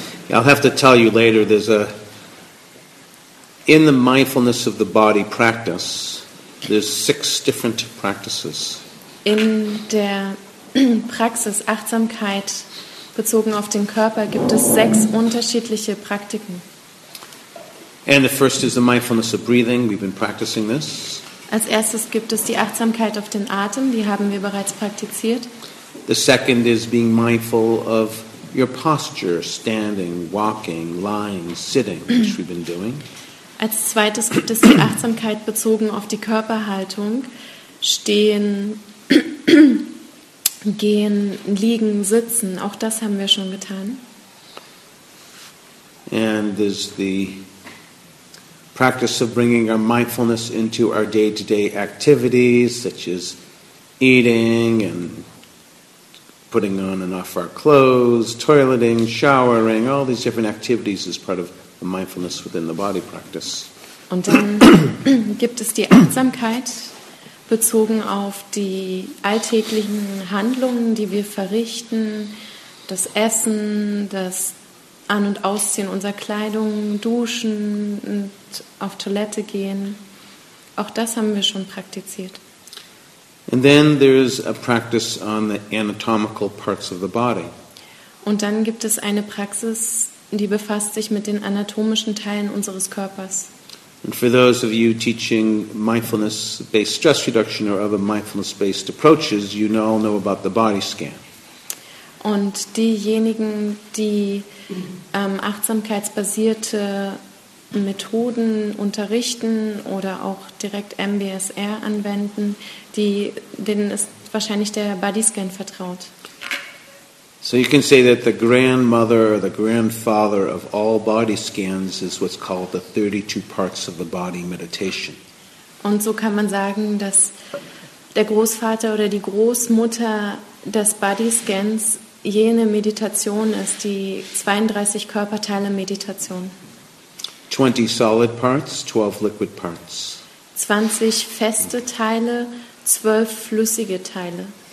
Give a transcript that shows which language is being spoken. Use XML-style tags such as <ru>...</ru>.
<en>I'll have to tell you later, there's a in the mindfulness of the body practice, there's six different practices.</en> <de>In der Praxis Achtsamkeit bezogen auf den Körper gibt es sechs unterschiedliche Praktiken.</de> <en>And the first is the mindfulness of breathing. We've been practicing this.</en> <de>Als erstes gibt es die Achtsamkeit auf den Atem. Die haben wir bereits praktiziert.</de> <en>The second is being mindful of your posture, standing, walking, lying, sitting, which we've been doing.</en> <de>Als zweites gibt es die Achtsamkeit bezogen auf die Körperhaltung, stehen, gehen, liegen, sitzen. Auch das haben wir schon getan.</de> <en>And there's the practice of bringing our mindfulness into our day-to-day activities, such as eating and putting on and off our clothes, toileting, showering, all these different activities as part of the mindfulness within the body practice.</en> <de>Und dann gibt es die Achtsamkeit bezogen auf die alltäglichen Handlungen, die wir verrichten, das Essen, das An- und Ausziehen unserer Kleidung, Duschen und auf Toilette gehen. Auch das haben wir schon praktiziert.</de> <en>And then there's a practice on the anatomical parts of the body.</en> <de>Und dann gibt es eine Praxis, die befasst sich mit den anatomischen Teilen unseres Körpers.</de> <en>And for those of you teaching mindfulness-based stress reduction or other mindfulness-based approaches, you all know about the body scan.</en> <de>Und diejenigen, die achtsamkeitsbasierte Methoden unterrichten oder auch direkt MBSR anwenden, denen ist wahrscheinlich der Bodyscan vertraut.</de> <en>So you can say that the grandmother or the grandfather of all body scans is what's called the 32 parts of the body meditation.</en> <de>Und so kann man sagen, dass der Großvater oder die Großmutter des Bodyscans jene Meditation ist, die 32 Körperteile Meditation.</de> <en>20 solid parts, 12 liquid parts.</en> <de>20 feste Teile, 12 flüssige Teile.</de>